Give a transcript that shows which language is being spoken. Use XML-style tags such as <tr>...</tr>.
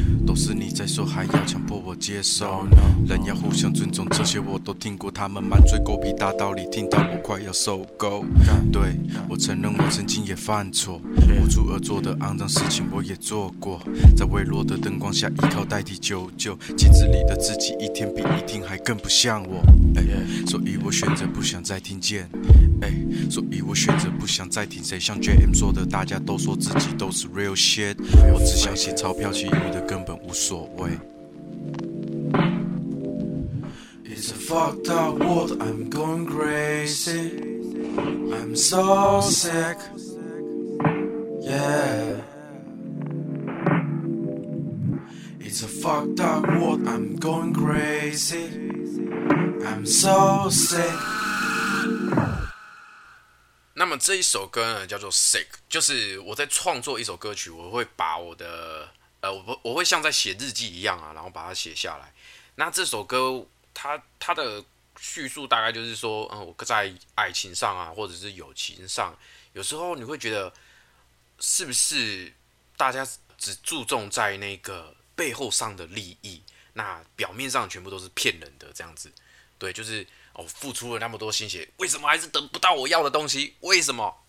<zh>都是你在说还要强迫我接受，人要互相尊重，这些我都听过，他们满嘴狗屁大道理，听到我快要受够，对，我承认我曾经也犯错，无助而做的肮脏事情我也做过，在微弱的灯光下依靠代替救救，镜子里的自己一天比一天还更不像我，所以我选择不想再听见，所以我选择不想再听谁像 JM 说的，大家都说自己都是</zh> <en>real shit，</en> <zh>我只相信钞票，其余的根本无所谓。</zh> <en>It's a fucked up world, I'm going crazy, I'm so sick, yeah. It's a fucked up world, I'm going crazy, I'm so sick。</en> <zh>那么这一首歌呢叫做 Sick， 就是我在创作一首歌曲，我会把我的我会像在写日记一样啊，然后把它写下来。那这首歌它的叙述大概就是说我在爱情上啊，或者是友情上，有时候你会觉得是不是大家只注重在那个背后上的利益，那表面上全部都是骗人的这样子，对，就是付出了那么多心血，为什么还是得不到我要的东西？为什么？</zh>